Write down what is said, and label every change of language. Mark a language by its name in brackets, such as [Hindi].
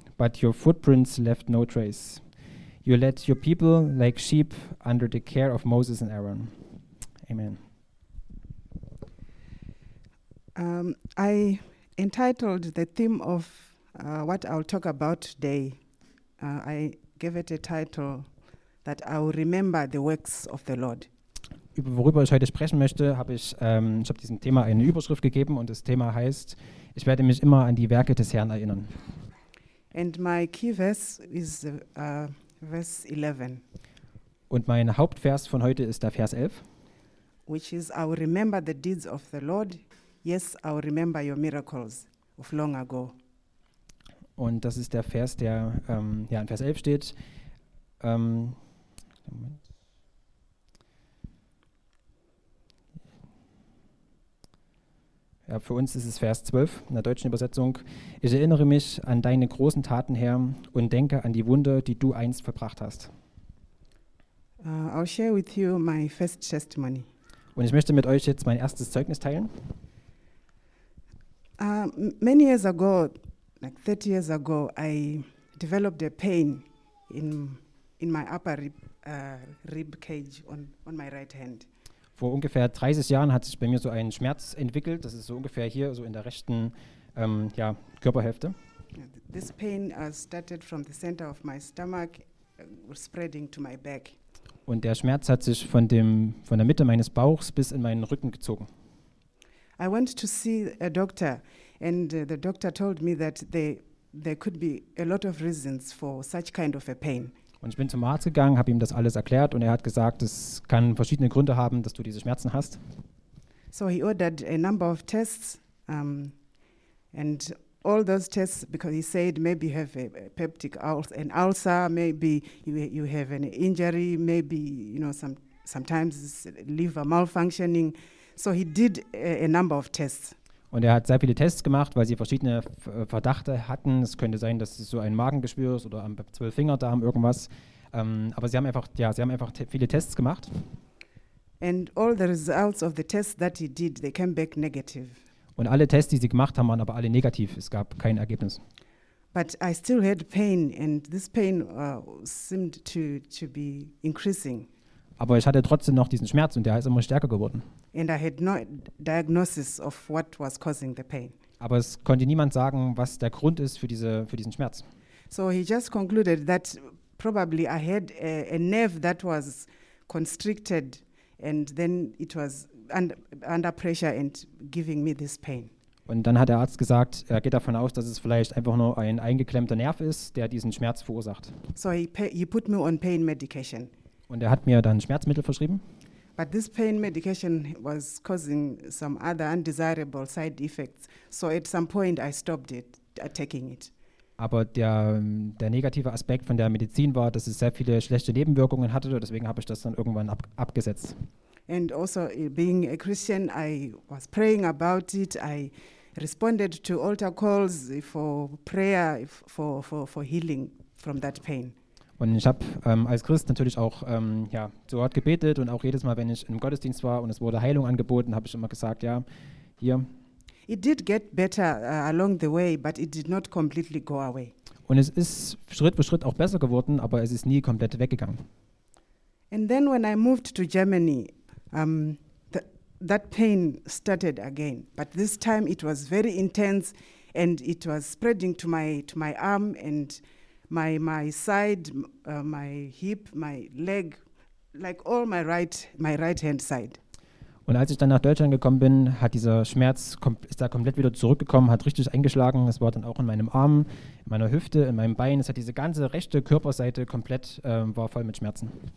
[English] But your footprints left no trace. You led your people like sheep under the care of Moses and Aaron. Amen. I entitled the theme of what I'll talk about today. I gave it a title that I will remember the works of the Lord. [German] Über worüber ich heute sprechen möchte, habe ich diesem Thema eine Überschrift gegeben und das Thema heißt: Ich werde mich immer an die Werke des Herrn erinnern. [English] And my key verse is verse 11. [German] Und mein Hauptvers von heute ist der Vers 11. [English] Which is, I will remember the deeds of the Lord. Yes, I will remember your miracles of long ago. [German] Und das ist der Vers, der in Vers 11 steht. Ja, für uns ist es Vers 12 in der deutschen Übersetzung. Ich erinnere mich an deine großen Taten, Herr, und denke an die Wunder, die du einst vollbracht hast. [English] I'll share with you my first testimony. [German] Und ich möchte mit euch jetzt mein erstes Zeugnis teilen. [English] Many years ago, like 30 years ago, I developed a pain in my upper rib cage on my right hand. [German] Vor ungefähr 30 Jahren hat sich bei mir so ein Schmerz entwickelt. Das ist so ungefähr hier, so in der rechten Körperhälfte. [English] This pain started from the center of my stomach, spreading to my back. [German] Und der Schmerz hat sich von der Mitte meines Bauchs bis in meinen Rücken gezogen. [English] I went to see a doctor, and the doctor told me that there could be a lot of reasons for such kind of a pain. [German] Und ich bin zum Arzt gegangen, habe ihm das alles erklärt und er hat gesagt, es kann verschiedene Gründe haben, dass du diese Schmerzen hast. [English] So he ordered a number of tests and all those tests, because he said maybe you have a peptic ulcer, maybe you have an injury, maybe you know sometimes liver malfunctioning. So he did a number of tests. [German] Und er hat sehr viele Tests gemacht, weil sie verschiedene Verdachte hatten. Es könnte sein, dass es so ein Magengeschwür ist oder am Zwölffingerdarm irgendwas. Aber sie haben einfach, viele Tests gemacht. [English] And all the results of the tests that he did, they came back negative. [German] Und alle Tests, die sie gemacht haben, waren aber alle negativ. Es gab kein Ergebnis. [English] But I still had pain, and this pain seemed to be increasing. [German] Aber ich hatte trotzdem noch diesen Schmerz und der ist immer stärker geworden. [English] And I had no diagnosis of what was causing the pain. [German] Aber es konnte niemand sagen, was der Grund ist für diesen Schmerz. [English] So he just concluded that probably I had a nerve that was constricted and then it was under pressure and giving me this pain. [German] Und dann hat der Arzt gesagt, er geht davon aus, dass es vielleicht einfach nur ein eingeklemmter Nerv ist, der diesen Schmerz verursacht. [English] So he put me on pain medication. [German] Und er hat mir dann Schmerzmittel verschrieben. [English] But this pain medication was causing some other undesirable side effects. So at some point I stopped it, taking it. [German] Aber der negative Aspekt von der Medizin war, dass es sehr viele schlechte Nebenwirkungen hatte. Deswegen habe ich das dann irgendwann abgesetzt. [English] And also being a Christian, I was praying about it. I responded to altar calls for prayer for healing from that pain. [German] Und ich habe als Christ natürlich auch zu Gott gebetet und auch jedes Mal, wenn ich im Gottesdienst war und es wurde Heilung angeboten, habe ich immer gesagt, ja, hier. [English] It did get better along the way, but it did not completely go away. [German] Und es ist Schritt für Schritt auch besser geworden, aber es ist nie komplett weggegangen. [English] And then when I moved to Germany, that pain started again. But this time it was very intense, and it was spreading to my arm and my side, my hip, my leg, like all my right hand side. [German] Und als ich dann nach Deutschland gekommen bin, hat dieser Schmerz ist da komplett wieder zurückgekommen, hat richtig eingeschlagen. Es war dann auch in meinem Arm, in meiner Hüfte, in meinem Bein. Es hat diese ganze rechte Körperseite komplett war voll mit Schmerzen.